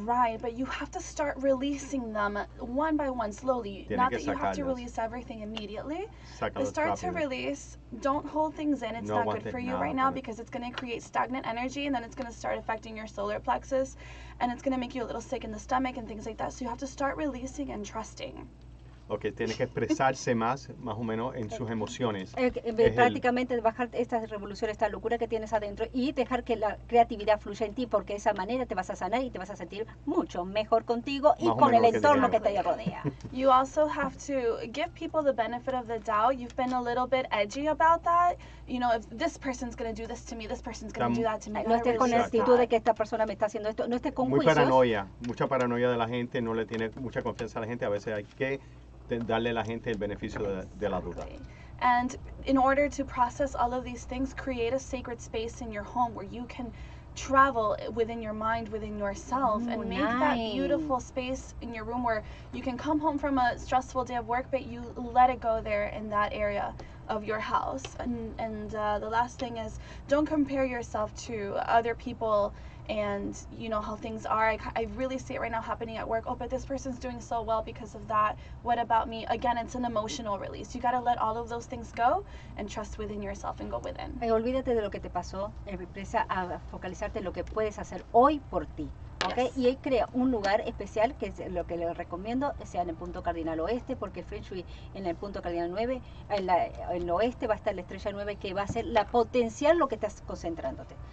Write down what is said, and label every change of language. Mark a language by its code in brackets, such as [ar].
[en] Right, but you have to start releasing them one by one, slowly. [es] Tienes [en] not that you have to release everything immediately. [es] Sácalos [en] but start [es] rápido. [en] To release. Don't hold things in. It's [es] no [en] not good for you right now because it's going to create stagnant energy and then it's going to start affecting your solar plexus and it's going to make you a little sick in the stomach and things like that. So you have to start releasing and trusting. [es] Ok, tiene que expresarse más o menos en sus emociones. Prácticamente bajar esta revolución, esta locura que tienes adentro y dejar que la creatividad fluya en ti, porque de esa manera te vas a sanar y te vas a sentir mucho mejor contigo y con el entorno que te rodea. [en] You also have to give people the benefit of the doubt. You've been a little bit edgy about that. You know, if this person's going to do this to me, this person's going to do that to me. [es] No estés con la actitud de que esta persona me está haciendo esto. No estés con juicios. Muy paranoia. Mucha paranoia de la gente. No le tiene mucha confianza a la gente. A veces hay que darle a la gente el beneficio de la duda. [en] And in order to process all of these things, create a sacred space in your home where you can travel within your mind, within yourself, and make that beautiful space in your room where you can come home from a stressful day of work, but you let it go there in that area of your house. And the last thing is, don't compare yourself to other people and you know how things are. I really see it right now happening at work. Oh, but this person's doing so well because of that. What about me? Again, it's an emotional release. You got to let all of those things go and trust within yourself and go within. [es] Olvídate de lo que te pasó. Empieza a focalizarte en lo que puedes hacer hoy por ti. [en] Okay, yes. [es] Y él crea un lugar especial que es lo que le recomiendo sea en el punto cardinal oeste, porque el Feng Shui en el punto cardinal 9, en el oeste va a estar la estrella 9 que va a ser la potencial lo que estás concentrándote.